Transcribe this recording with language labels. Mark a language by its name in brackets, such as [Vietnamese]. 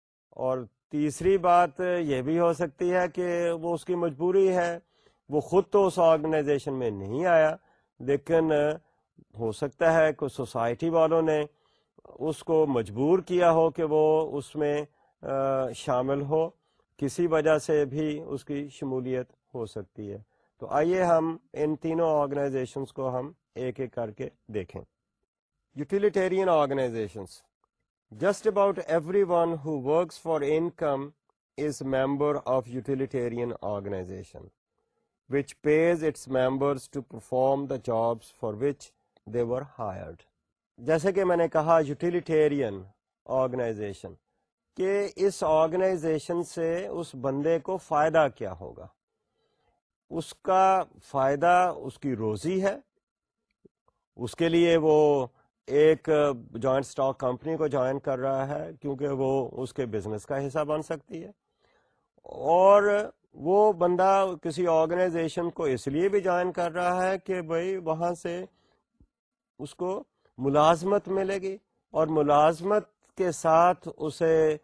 [Urdu] اور تیسری بات یہ بھی ہو سکتی ہے کہ وہ اس کی مجبوری ہے, وہ خود تو اس آرگنائزیشن میں نہیں آیا, لیکن ہو سکتا ہے کہ سوسائٹی والوں نے اس کو مجبور کیا ہو کہ وہ اس میں شامل ہو, کسی وجہ سے بھی اس کی شمولیت ہو سکتی ہے. تو آئیے ہم ان تینوں آرگنائزیشنس کو ہم ایک ایک کر کے دیکھیں. [English] Utilitarian organisations, just about everyone who works for income is member of utilitarian organisation which pays its members to perform the jobs for which they were hired. [Urdu] جیسے کہ میں نے کہا یوٹیلیٹیرین آرگنائزیشن, کہ اس آرگنائزیشن سے اس بندے کو فائدہ کیا ہوگا, اس کا فائدہ اس کی روزی ہے, اس کے لیے وہ ایک جوائنٹ اسٹاک کمپنی کو جوائن کر رہا ہے کیونکہ وہ اس کے بزنس کا حصہ بن سکتی ہے, اور وہ بندہ کسی آرگنائزیشن کو اس لیے بھی جوائن کر رہا ہے کہ بھائی وہاں سے اس کو ملازمت ملے گی, اور ملازمت کے ساتھ اسے